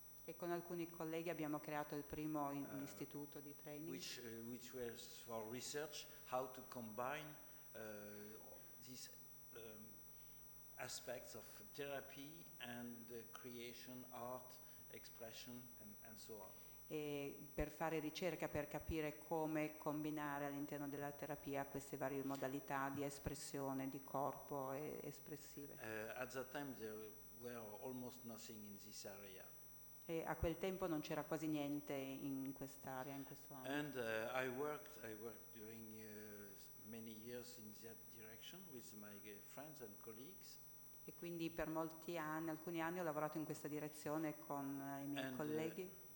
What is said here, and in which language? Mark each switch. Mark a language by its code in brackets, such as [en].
[it] E con alcuni colleghi abbiamo creato il primo istituto di training. [en] Which was for research, how to combine these aspects of therapy and creation, art, expression, and so on. [it] E per fare ricerca, per capire come combinare all'interno della terapia queste varie modalità di espressione, di corpo e espressive. [en] At that time there were almost nothing in this area. [it] E a quel tempo non c'era quasi niente in quest'area, in questo ambito. [en] And I worked during many years in that direction with my friends and colleagues. [it] E quindi per molti anni, alcuni anni, ho lavorato in questa direzione con i miei colleghi.